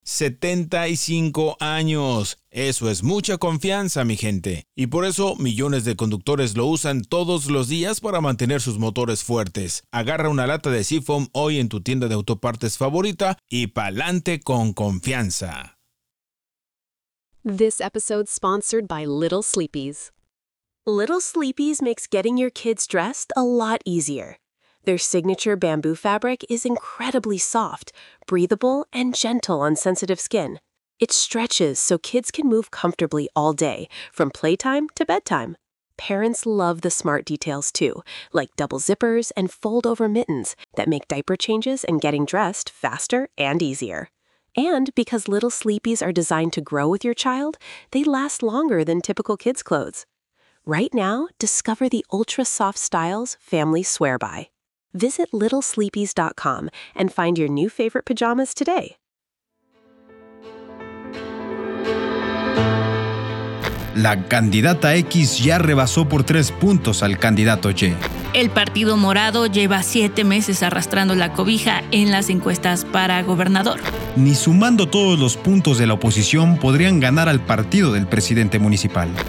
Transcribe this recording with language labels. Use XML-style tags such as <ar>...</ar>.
<es>¡75 años! Eso es mucha confianza, mi gente. Y por eso, millones de conductores lo usan todos los días para mantener sus motores fuertes. Agarra una lata de Seafoam hoy en tu tienda de autopartes favorita y pa'lante con confianza.</es> <en>This episode is sponsored by Little Sleepies. Little Sleepies makes getting your kids dressed a lot easier. Their signature bamboo fabric is incredibly soft, breathable, and gentle on sensitive skin. It stretches so kids can move comfortably all day, from playtime to bedtime. Parents love the smart details too, like double zippers and fold-over mittens that make diaper changes and getting dressed faster and easier. And because Little Sleepies are designed to grow with your child, they last longer than typical kids' clothes. Right now, discover the ultra-soft styles families swear by. Visit littlesleepies.com and find your new favorite pajamas today.</en> <es>La candidata X ya rebasó por 3 puntos al candidato Y. El Partido Morado lleva 7 meses arrastrando la cobija en las encuestas para gobernador. Ni sumando todos los puntos de la oposición podrían ganar al partido del presidente municipal.</es>